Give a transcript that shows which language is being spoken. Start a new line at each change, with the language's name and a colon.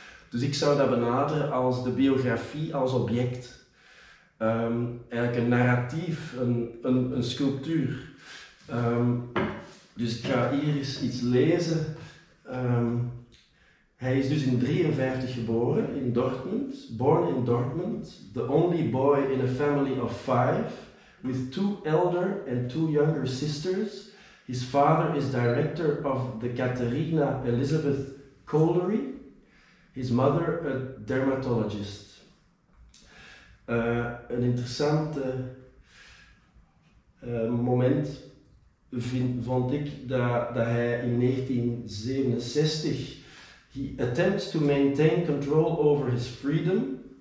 Dutch: Dus ik zou dat benaderen als de biografie als object. Eigenlijk een narratief, een sculptuur. Dus ik ga hier eens iets lezen. Hij is dus in 1953 geboren in Dortmund.
English: Born in Dortmund. The only boy in a family of five. With two elder and two younger sisters. His father is director of the Katharina Elizabeth Colliery. His mother a dermatologist.
Dutch: Een interessant moment vond ik dat hij in 1967...
English: He attempts to maintain control over his freedom.